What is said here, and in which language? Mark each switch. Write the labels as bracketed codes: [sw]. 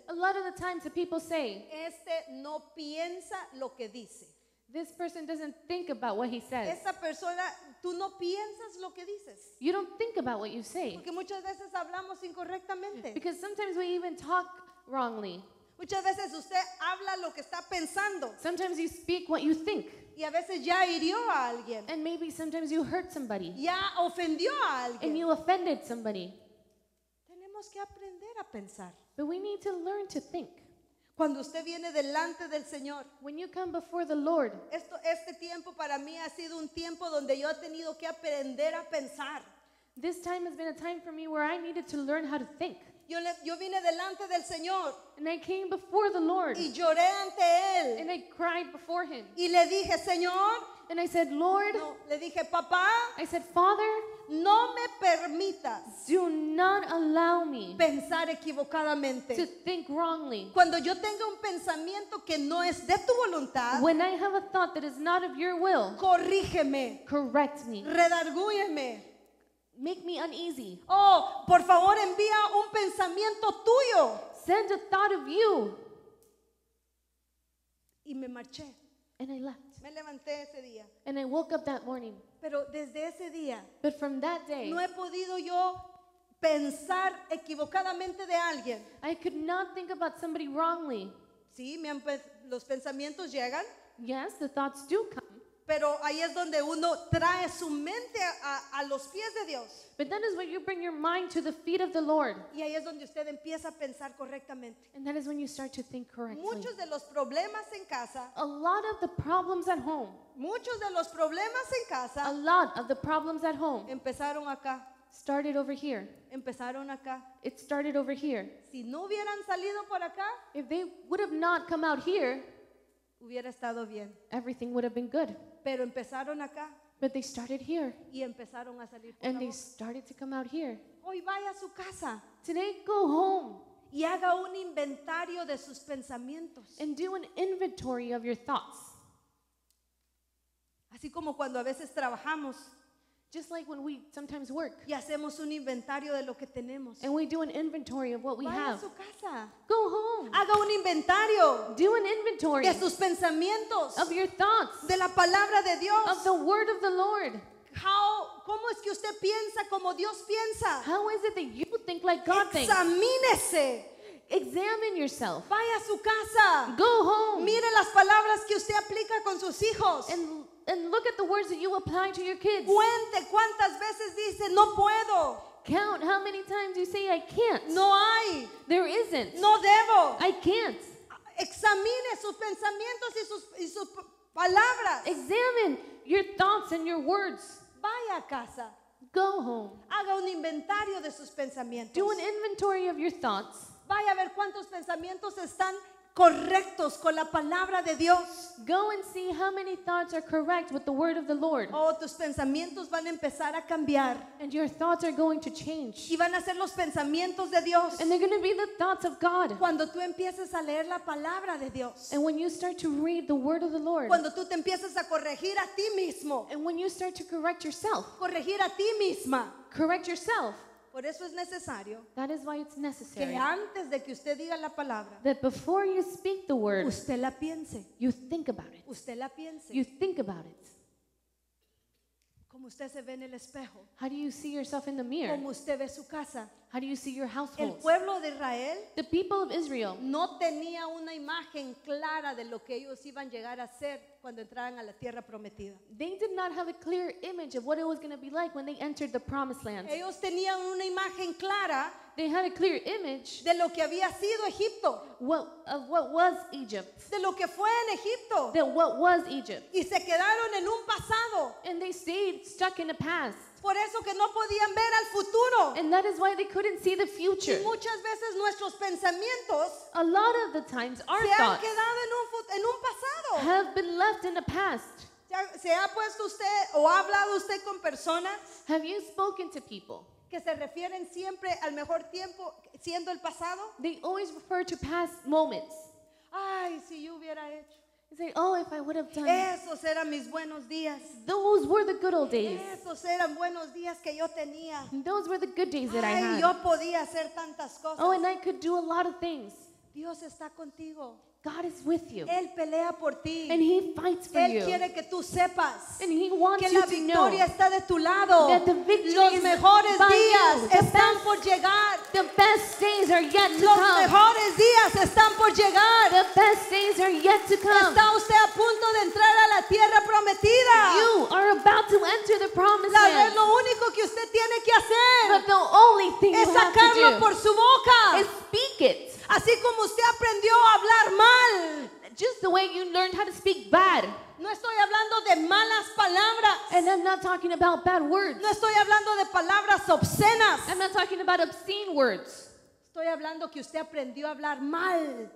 [en] a lot of the times the people say, [es] este no piensa lo que dice. [en] This person doesn't think about what he says. [es] Esta persona, tú no piensas lo que dices. [en] You don't think about what you say. [es] Porque muchas veces hablamos incorrectamente. [en] Because sometimes we even talk wrongly. [es] Muchas veces usted habla lo que está pensando. [en] Sometimes you speak what you think. [es] Y a veces ya hirió a alguien. [en] And maybe sometimes you hurt somebody. [es] Ya ofendió a alguien. [en] And you offended somebody. [es] Tenemos que aprender a pensar. [en] But we need to learn to think. [es] Cuando usted viene delante del Señor, [en] when you come before the Lord, [es] este tiempo para mí ha sido un tiempo donde yo he tenido que aprender a pensar. [en] This time has been a time for me where I needed to learn how to think. [es] Yo vine delante del Señor, [en] and I came before the Lord, [es] y lloré ante Él, [en] and I cried before Him, [es] y le dije, Señor, [en] and I said, Lord, [es] no, le dije, Papá, [en] I said, Father, [es] no me permitas, [en] do not allow me, [es] pensar equivocadamente, [en] to think wrongly. [es] Cuando yo tenga un pensamiento que no es de tu voluntad, [en] when I have a thought that is not of your will, [es] corrígeme, [en] correct me, [es] redargúyeme, [en] make me uneasy. [es] Oh, por favor, envía un pensamiento tuyo. [en] Send a thought of you. [es] Y me marché. [en] And I left. [es] Me levanté ese día. [en] And I woke up that morning. [es] Pero desde ese día, [en] but from that day, [es] no he podido yo pensar equivocadamente de alguien. [en] I could not think about somebody wrongly. [es] Sí, los pensamientos llegan. [en] Yes, the thoughts do come. [es] Pero ahí es donde uno trae su mente a los pies de Dios. [en] But that is when you bring your mind to the feet of the Lord. [es] Y ahí es donde usted empieza a pensar correctamente. [en] And that is when you start to think correctly. [es] Muchos de los problemas en casa. [en] A lot of the problems at home. [es] Muchos de los problemas en casa. [en] A lot of the problems at home. [es] Empezaron acá. [en] Started over here. [es] Empezaron acá. [en] It started over here. [es] Si no hubieran salido por acá. [en] If they would have not come out here. [es] Hubiera estado bien. [en] Everything would have been good. [es] Pero empezaron acá. [en] But they started here. [es] Y empezaron a salir por [en] and they started to come out here. [es] Hoy vaya a su casa. [en] Today go home. [es] Y haga un inventario de sus pensamientos. [en] And do an inventory of your thoughts. [es] Así como cuando a veces trabajamos. [en] Just like when we sometimes work. [es] Y hacemos un inventario de lo que tenemos. [en] And we do an inventory of what we have. [es] Vaya a su casa. [en] Go home. [es] Haga un inventario. [en] Do an inventory. [es] De sus pensamientos. [en] Of your thoughts. [es] De la palabra de Dios. [en] Of the word of the Lord. [es] ¿Cómo es que usted piensa como Dios piensa? [en] How is it that you think like God thinks? [es] Examínese. [en] Examine yourself. [es] Vaya a su casa. [en] Go home. [es] Mire las palabras que usted aplica con sus hijos. [en] And look at the words that you apply to your kids. [es] Cuente cuántas veces dice no puedo. [en] Count how many times you say I can't. [es] No hay. [en] There isn't. [es] No debo. [en] I can't. [es] Examine sus pensamientos y sus palabras. [en] Examine your thoughts and your words. [es] Vaya a casa. [en] Go home. [es] Haga un inventario de sus pensamientos. [en] Do an inventory of your thoughts. [es] Vaya a ver cuántos pensamientos están correctos con la palabra de Dios. [en] Go and see how many thoughts are correct with the word of the Lord. [es] Oh, tus pensamientos van a empezar a cambiar. [en] And your thoughts are going to change. [es] Y van a ser los pensamientos de Dios. [en] And they're going to be the thoughts of God. [es] Cuando tú empieces a leer la palabra de Dios. [en] And when you start to read the word of the Lord. [es] Cuando tú te empieces a corregir a ti mismo. [en] And when you start to correct yourself. [es] Corregir a ti misma. [en] Correct yourself. [es] Por eso es necesario. [en] That is why it's necessary. [es] Que antes de que usted diga la palabra. [en] That before you speak the word. [es] Usted la piense. [en] You think about it. [es] Usted la piense. [en] You think about it. [es] Como usted se ve en el espejo. [en] How do you see yourself in the mirror? [es] Como usted ve su casa. [en] How do you see your household? [es] El pueblo de Israel, [en] the people of Israel, [es] no tenía una imagen clara de lo que ellos iban a llegar a ser cuando entraran a la tierra prometida. [en] They did not have a clear image of what it was going to be like when they entered the promised land. [es] Ellos tenían una imagen clara. [en] They had a clear image [es] de lo que había sido Egipto. [en] What was Egypt? [es] De lo que fue en Egipto. [en] De what was Egypt? [es] Y se quedaron en un pasado. [en] And they stayed stuck in the past. [es] Por eso que no podían ver al futuro. [en] And that is why they couldn't see the future. [es] Y muchas veces nuestros pensamientos, [en] a lot of the times our [es] se han [en] thoughts [es] quedado en un pasado. [en] Have been left in the past. [es] ¿Se ha puesto usted o ha hablado usted con personas? [en] Have you spoken to people? [es] Que se refieren siempre al mejor tiempo siendo el pasado. [en] They always refer to past moments. [es] Ay, si yo hubiera hecho. [en] Say, oh, if I would have done. [es] Esos eran mis buenos días. [en] Those were the good old days. [es] Esos eran buenos días que yo tenía. [en] Those were the good days that ay, I had. [es] Yo podía hacer tantas cosas. [en] Oh, and I could do a lot of things. [es] Dios está contigo. [en] God is with you. [es] Él pelea por ti. [en] And he fights for [es] él [en] you. [es] Quiere que tú sepas [en] and he wants [es] que la [en] you [es] victoria [en] to know [es] está de tu lado. [en] That the victory [es] los [en] is [es] mejores [en] by [es] días [en] you. [es] Están [en] best, [es] por llegar. [en] The best days are yet to [es] los [en] come. [es] Mejores días están por llegar. [en] The best days are yet to come. [es] Está usted a punto de entrar a la tierra prometida. [en] You are about to enter the promised land. [es] Lo único que usted tiene que hacer [en] but the only thing [es] es sacarlo por su boca. [en] Is speak it. [es] Así como usted aprendió a hablar mal. [en] Just the way you learned how to speak bad. [es] No estoy hablando de malas palabras. [en] And I'm not talking about bad words. [es] No estoy hablando de palabras obscenas. [en] I'm not talking about obscene words. [es] Estoy hablando que usted aprendió a hablar mal.